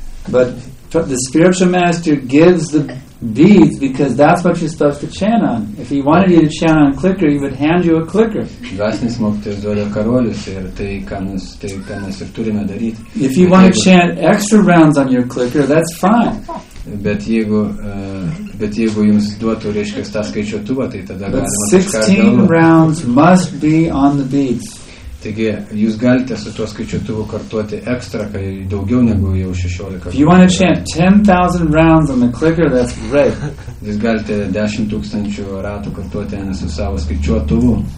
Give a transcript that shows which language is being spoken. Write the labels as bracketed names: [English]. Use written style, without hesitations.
[English] But the spiritual master gives the beads because that's what you're supposed to chant on. If he wanted you to chant on clicker, he would hand you a clicker. [Lithuanian] Dvasinis mokytojas duoda karolius ir tai, ką mes, tai, ką mes ir turime daryti. [English] If you want to chant extra rounds on your clicker, that's fine. [Lithuanian] Bet jeigu, bet jeigu jums duotų, reiškia, tą skaičiuotuvą, tai tada galima kažką [English] 16 rounds must be on the beads. [Lithuanian] Taigi, jūs galite su tuo skaičiuotuvu kartuoti ekstra, kai daugiau negu jau 16. [English] If you want to chant 10,000 rounds on the clicker, that's great. [Lithuanian] Jūs galite 10,000 ratų kartuoti su savo skaičiuotuvu.